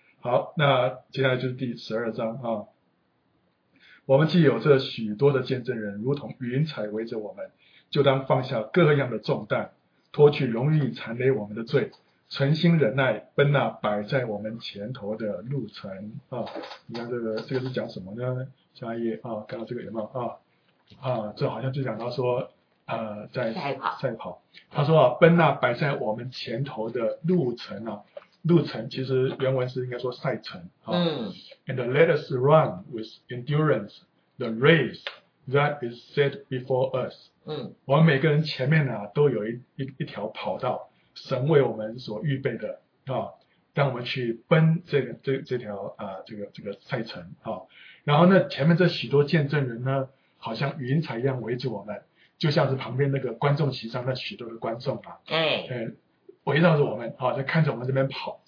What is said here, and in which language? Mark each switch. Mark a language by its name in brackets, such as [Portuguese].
[Chinese] 好，那接下来就是第12章啊。我们既有这许多的见证人，如同云彩围着我们，就当放下各样的重担，脱去容易缠累我们的罪，存心忍耐，奔那摆在我们前头的路程啊。你看这个是讲什么呢？下一页啊，看到这个有没有啊？啊，这好像就讲到说，在赛跑。他说啊，奔那摆在我们前头的路程啊，路程其实原文是应该说赛程啊。嗯。 [English] And let us run with endurance the race that is set before us。 [Chinese] 嗯。我们每个人前面啊都有一条跑道，神为我们所预备的啊，让我们去奔这条啊这个赛程啊。然后呢，前面这许多见证人呢。好像云彩一样围着我们，就像是旁边那个观众席上那许多的观众啊，围绕着我们啊，在看着我们这边跑。